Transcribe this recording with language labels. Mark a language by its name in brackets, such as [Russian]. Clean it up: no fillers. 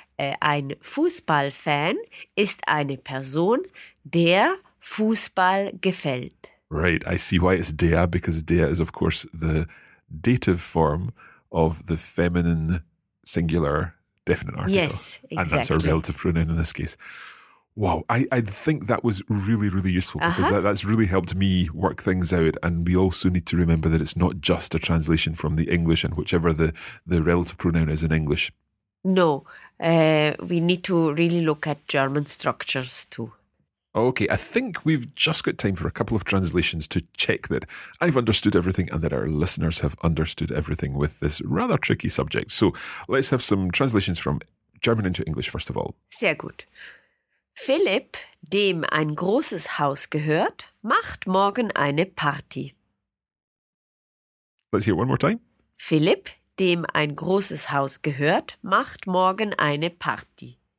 [German] Ein Fußballfan ist eine Person, der Fußball gefällt. [English] Right, I see why it's der, because der is, of course, the dative form of the feminine singular definite article. Yes, exactly. And that's our relative pronoun in this case. Wow, I think that was really, really useful because that's really helped me work things out. And we also need to remember that it's not just a translation from the English and whichever the relative pronoun is in English. No, we need to really look at German structures too. Okay, I think we've just got time for a couple of translations to check that I've understood everything and that our listeners have understood everything with this rather tricky subject. So let's have some translations from German into English, first of all. [German] Sehr gut. Philipp, dem ein großes Haus gehört, macht morgen eine Party. [English] Let's hear it one more time. [German] Philipp, dem ein großes Haus gehört, macht morgen eine Party.